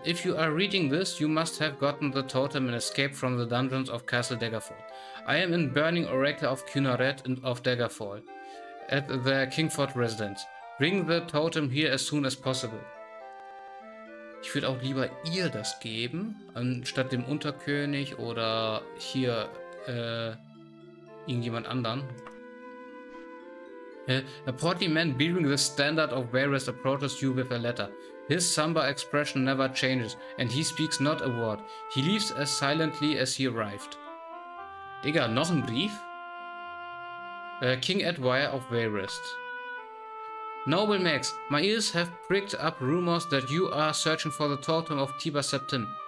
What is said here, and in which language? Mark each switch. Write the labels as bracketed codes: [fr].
[en] If you are reading this, you must have gotten the totem and escaped from the dungeons of Castle Daggerfall. I am in Burning Oracle of Cunaret and of Daggerfall at the Kingford Residence. Bring the totem here as soon as possible. [de] Ich würde auch lieber ihr das geben, anstatt dem Unterkönig oder hier irgendjemand anderen. [en] A portly man bearing the standard of Varys approaches you with a letter. His somber expression never changes, and he speaks not a word. He leaves as silently as he arrived. [de] Digga, noch ein Brief? [en] King Edwire of Varys. Noble Max, my ears have pricked up rumors that you are searching for the totem of Tibar Septim.